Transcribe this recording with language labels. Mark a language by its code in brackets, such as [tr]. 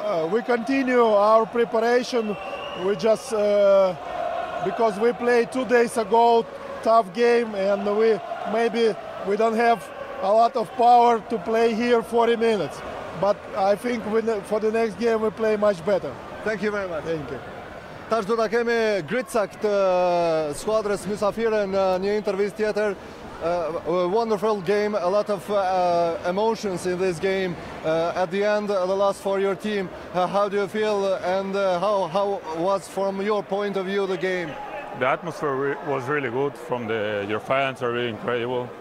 [en] We continue our preparation. We just because we played 2 days ago, tough game, and we don't have a lot of power to play here 40 minutes. But I think for the next game we play much better. Thank you very much. Thank you. [sq] Tash do ta kemi Gritsa këtë skuadrës mysafire në një intervjist tjetër. [en] Wonderful game, a lot of emotions in this game. At the end, the loss for your team. How do you feel, and how was from your point of view the game? The atmosphere was really good. From the your fans are really incredible.